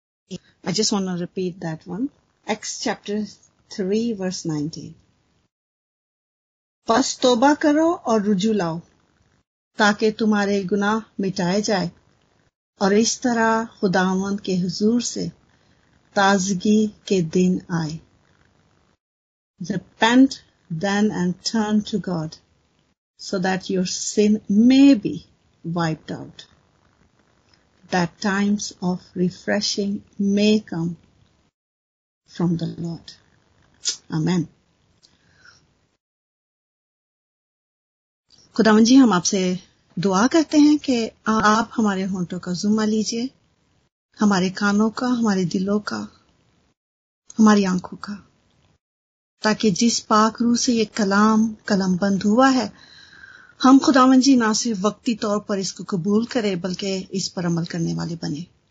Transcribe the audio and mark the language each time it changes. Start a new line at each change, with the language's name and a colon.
English: I just want to repeat that one. Acts chapter 3:19.
Hindi: बस तोबा करो और रुजू लाओ ताकि तुम्हारे गुनाह मिटाए जाए और इस तरह खुदावंद के हुजूर से ताजगी के दिन आए.
English: Repent then and turn to God so that your sin may be wiped out. That times of refreshing may come from the Lord. Amen.
Hindi: खुदावंद जी हम आपसे दुआ करते हैं कि आप हमारे होंठों का जुम्मा लीजिए, हमारे कानों का, हमारे दिलों का, हमारी आंखों का, ताकि जिस पाक रूह से ये कलाम कलम बंद हुआ है हम खुदावंद जी ना सिर्फ वक्ती तौर पर इसको कबूल करें बल्कि इस पर अमल करने वाले बने.